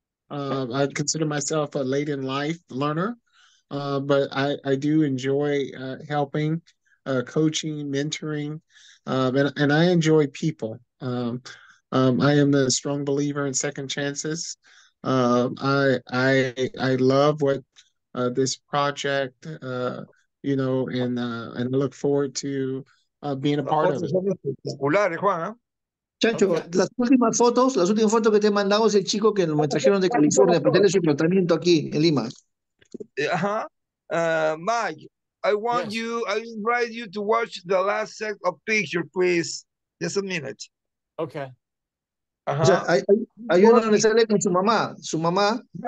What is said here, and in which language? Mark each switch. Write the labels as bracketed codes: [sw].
[en] I consider myself a late in life learner, but I do enjoy helping, coaching, mentoring, and I enjoy people. I am a strong believer in second chances. I love what this project, and I look forward to being a part of it. [es] Chancho, las últimas fotos que te mandamos el chico que nos trajeron de California para tener su tratamiento aquí en Lima. [en] Mike, I invite you to watch the last set of pictures, please. Just a minute. Okay. Uh-huh. [es] O sea, ayúdame a salir con su mamá.